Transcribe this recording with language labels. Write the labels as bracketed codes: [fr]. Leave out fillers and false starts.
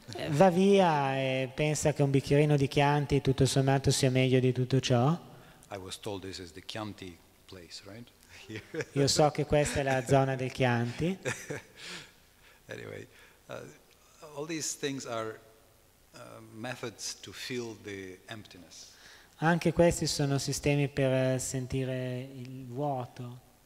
[it] Va via e pensa che un bicchierino di Chianti tutto sommato sia meglio di tutto ciò. [en] I was told this is the Chianti place, right? [it] Io so che questa è la zona del Chianti. [en] Anyway, all these things are methods to fill the emptiness. [it] Anche questi sono sistemi per sentire il vuoto.